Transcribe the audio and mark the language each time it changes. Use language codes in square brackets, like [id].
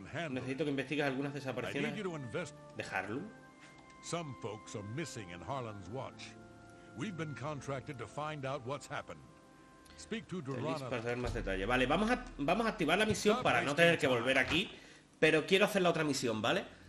[es] Necesito que investigues algunas desapariciones. ¿Dejarlo? [en] Some folks are missing in Harlan's watch. We've been contracted to find out what's happened. Speak to Durana [es] para saber más detalles. Vale, vamos a activar la misión para no tener que volver aquí, pero quiero hacer la otra misión, ¿vale?